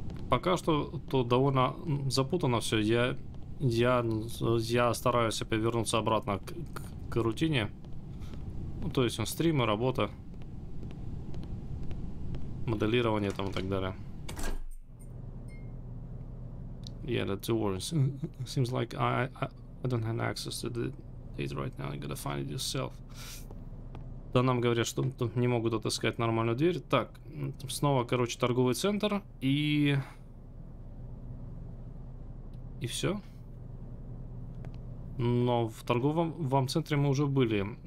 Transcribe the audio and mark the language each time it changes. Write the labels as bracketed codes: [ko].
[ru] Пока что то довольно запутано все. Я стараюсь опять вернуться обратно к рутине. Ну, то есть стримы, работа, моделирование там и так далее. [en] Yeah, that's too worrying. Seems like I don't have access to the data right now. You gotta find it yourself. [ru] Да, нам говорят, что не могут отыскать нормальную дверь. Так, снова, короче, торговый центр и все. Но в торговом вам центре мы уже были.